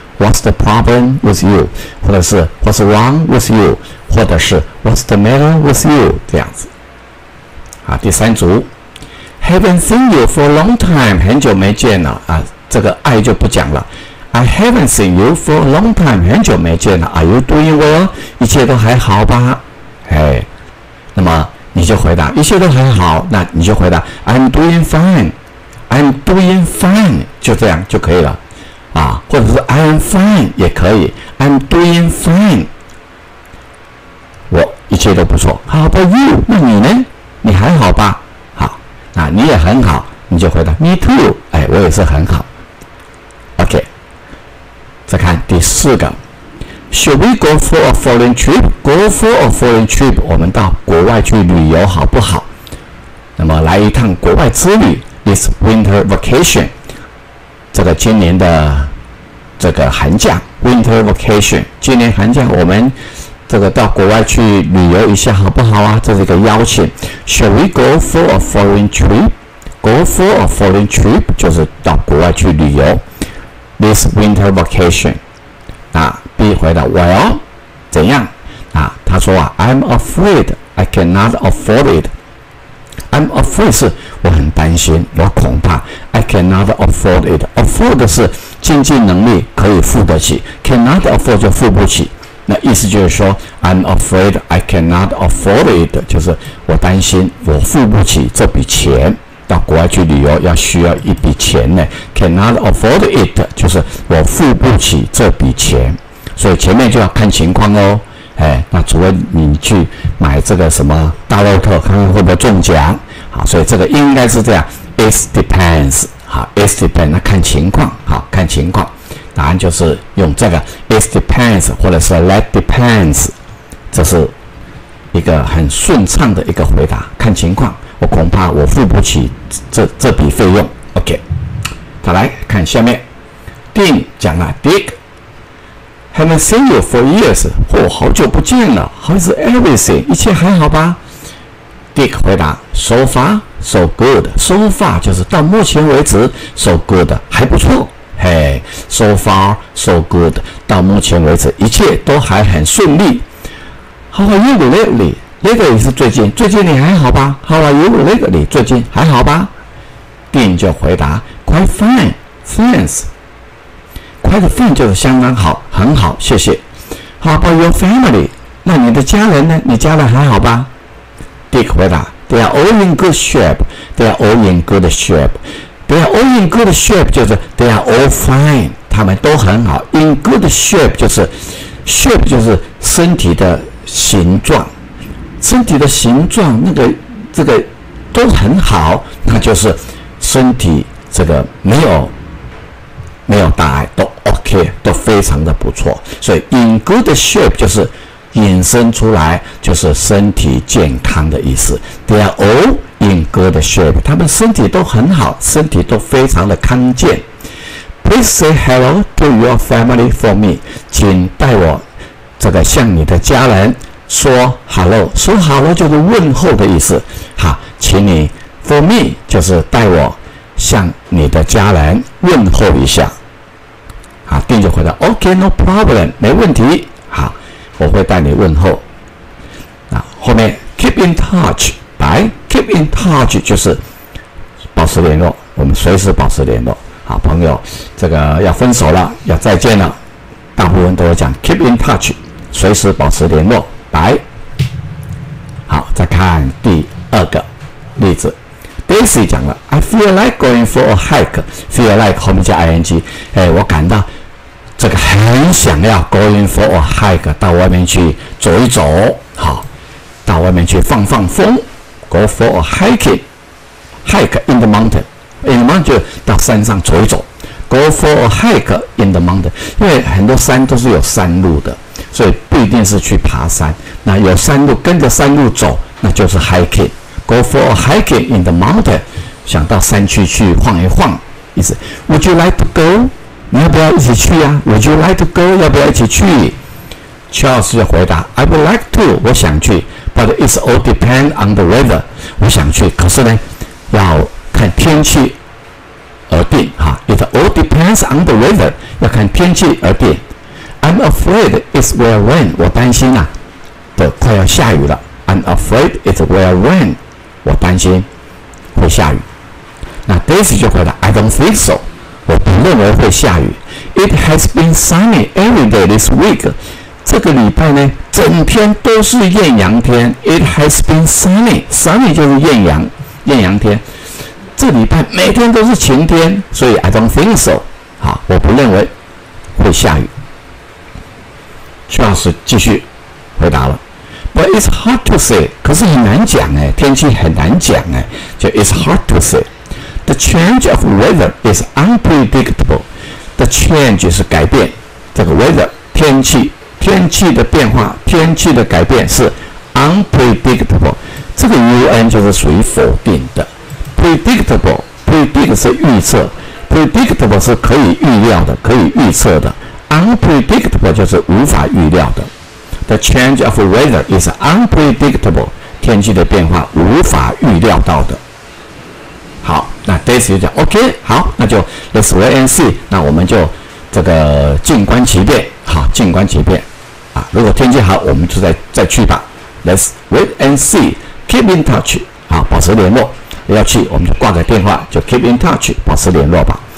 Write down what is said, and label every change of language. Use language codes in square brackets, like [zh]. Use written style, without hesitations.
[en] What's the problem with you? [zh] 或者是 [en] What's wrong with you? [zh] 或者是 [en] What's the matter with you? [zh] 这样子。好，第三组 ， [en] Haven't seen you for a long time， [zh] 很久没见了啊，这个爱就不讲了。 [en] I haven't seen you for a long time， [zh] 很久没见了。 [en] Are you doing well？ [zh] 一切都还好吧？哎，那么你就回答一切都还好，那你就回答 [en] I'm doing fine， I'm doing fine， [zh] 就这样就可以了。啊，或者是 [en] I'm fine [zh] 也可以 ， [en] I'm doing fine， [zh] 我一切都不错。 [en] How about you？ [zh] 那你呢？你还好吧？好，啊，你也很好，你就回答 [en] Me too。 [zh] 哎，我也是很好。 [en] OK， [zh] 再看第四个 [en] ，Should we go for a foreign trip？ Go for a foreign trip， [zh] 我们到国外去旅游好不好？那么来一趟国外之旅 ， [en] It's winter vacation。 [zh] 这个今年的这个寒假 ， [en] winter vacation， [zh] 今年寒假我们这个到国外去旅游一下好不好啊？这是一个邀请。 [en] Shall we go for a foreign trip? Go for a foreign trip [zh] 就是到国外去旅游。 [en] This winter vacation， [zh] 啊 ，B 回答 [en] Well， [zh] 怎样？啊，他说啊 [en] ，I'm afraid I cannot afford it。 I'm afraid [zh] 是我很担心，我恐怕。 [en] I cannot afford it. [zh] Afford 是经济能力可以付得起 ， [en] cannot afford [zh] 就付不起。那意思就是说 ， [en] I'm afraid I cannot afford it， [zh] 就是我担心我付不起这笔钱。到国外去旅游要需要一笔钱呢 ， [en] cannot afford it [zh] 就是我付不起这笔钱。所以前面就要看情况哦。哎，那除非你去买这个什么大乐透，看看会不会中奖。好，所以这个应该是这样 ， [en] It depends。 [zh] 好 ，It depends， 那看情况。好，看情况，答案就是用这个 [en] It depends， [zh] 或者是 [en] That depends， [zh] 这是一个很顺畅的一个回答。看情况，我恐怕我付不起这笔费用。 OK， 再来看下面 ，Dean 讲了 ，Dick。 [en] Haven't seen you for years. [zh] 哦，好久不见了。 [en] How is everything? [zh] 一切还好吧 ？Dick 回答 ： [en] So far, so good. So far [zh] 就是到目前为止 ， [en] so good [zh] 还不错。 [en] Hey, so far, so good. [zh] 到目前为止，一切都还很顺利。 [en] How are you lately? Lately 是最近。 [zh] 最近你还好吧 ？ [en] How are you lately? [zh] 最近还好吧 ？Dean 就回答 ： [en] Quite fine, thanks. Quite fine [zh] 就是相当好，很好，谢谢。 [en] How about your family? [zh] 那你的家人呢？你家人还好吧？ Dick 回答 [en] ：They are all in good shape. They are all in good shape. They are all in good shape 就是 They are all fine. [zh] 他们都很好。 [en] In good shape [zh] 就是 shape 就是身体的形状，身体的形状那个这个都很好，那就是身体这个没有大碍，都 OK， 都非常的不错。所以 [en] in good shape [zh] 就是引申出来，就是身体健康的意思。 [en] They are all in good shape， [zh] 他们身体都很好，身体都非常的康健。 [en] Please say hello to your family for me， [zh] 请代我这个向你的家人说 hello， 说 hello 就是问候的意思。好，请你 [en] for me [zh] 就是代我。向你的家人问候一下，啊，丁就回答 ， [en] OK， no problem， [zh] 没问题，好，我会带你问候。啊，后面 [en] keep in touch， [zh] 白 keep in touch 就是保持联络，我们随时保持联络。好，朋友，这个要分手了，要再见了，大部分都会讲 [en] keep in touch， [zh] 随时保持联络，白。好，再看第二个例子。 [en] Daisy 讲了 ，I feel like going for a hike. [zh] Feel like 后面加 ing， 哎，我感到这个很想要 [en] going for a hike， [zh] 到外面去走一走，好，到外面去放放风 ， [en] go for a hiking。 hike in the mountain。 in the mountain [zh] 就到山上走一走， [en] go for a hike in the mountain。 [zh] 因为很多山都是有山路的，所以不一定是去爬山，那有山路跟着山路走那就是 hiking。 [en] go for a hike in the mountain， [zh] 想到山区去晃一晃，意思 [en] would you like to go， [zh] 你要不要一起去啊？ [en] would you like to go， [zh] 要不要一起去？ [en] Charles [zh] 就回答 [en] I would like to， [zh] 我想去。 [en] But it's all depend on the weather， [zh] 我想去，可是呢要看天气而定哈。 [en] It all depends on the weather， [zh] 要看天气而定。 [en] I'm afraid it will rain， [zh] 我担心啊的快要下雨了。 [en] I'm afraid it will rain， [zh] 我担心会下雨。那 Daisy 就回答 [en] I don't think so， [zh] 我不认为会下雨。 [en] It has been sunny every day this week， [zh] 这个礼拜呢整天都是艳阳天。 [en] It has been sunny， [zh] sunny 就是艳阳，艳阳天，这礼拜每天都是晴天，所以 [en] I don't think so， [zh] 好，我不认为会下雨。 Charles 继续回答了 [en] But it's hard to say， [zh] 可是很难讲哎，天气很难讲哎，就 [en] It's hard to say。 The change of weather is unpredictable， The change [zh] 是改变，这个 weather 天气，天气的变化，天气的改变是 unpredictable。这个 un 就是属于否定的， predictable， predict 是预测， predictable 是可以预料的，可以预测的， [en] unpredictable [zh] 就是无法预料的。 [en] The change of weather is unpredictable， [zh] 天气的变化无法预料到的。好，那 Daisy 就讲 OK， 好，那就 [en] let's wait and see， [zh] 那我们就这个静观其变。好，静观其变啊，如果天气好我们就再去吧。 [en] Let's wait and see， keep in touch， [zh] 好，保持联络，要去我们就挂个电话，就 [en] keep in touch， [zh] 保持联络吧。